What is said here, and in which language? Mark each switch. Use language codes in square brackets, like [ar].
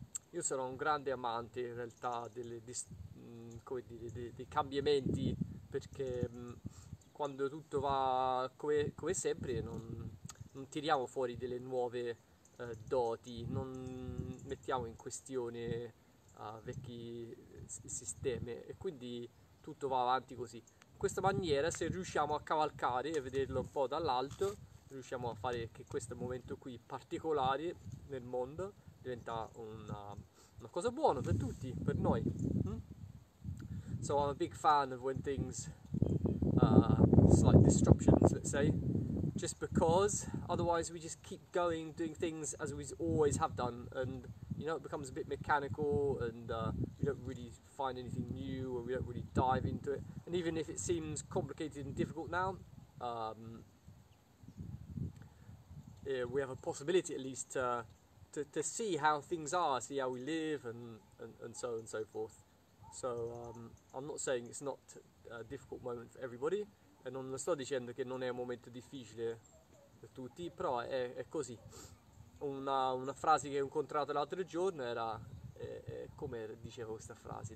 [it] Io sono un grande amante in realtà come dire, dei cambiamenti, perché quando tutto va come sempre non tiriamo fuori delle nuove doti, non mettiamo in questione vecchi sistemi, e quindi tutto va avanti così. In questa maniera, se riusciamo a cavalcare e vederlo un po' dall'alto, riusciamo a fare che questo momento qui particolare nel mondo diventa una cosa buona per tutti, per noi. [en] So I'm a big fan of when things slight disruptions, let's say, just because otherwise we just keep going doing things as we always have done, and it becomes a bit mechanical, and we don't really find anything new, or we don't really dive into it. And even if it seems complicated and difficult now, we have a possibility at least to see how things are, see how we live, and so on and so forth. So I'm not saying it's not a difficult moment for everybody, [it] e non sto dicendo che non è un momento difficile per tutti, però è così. Una frase che ho incontrato l'altro giorno era, come diceva questa frase?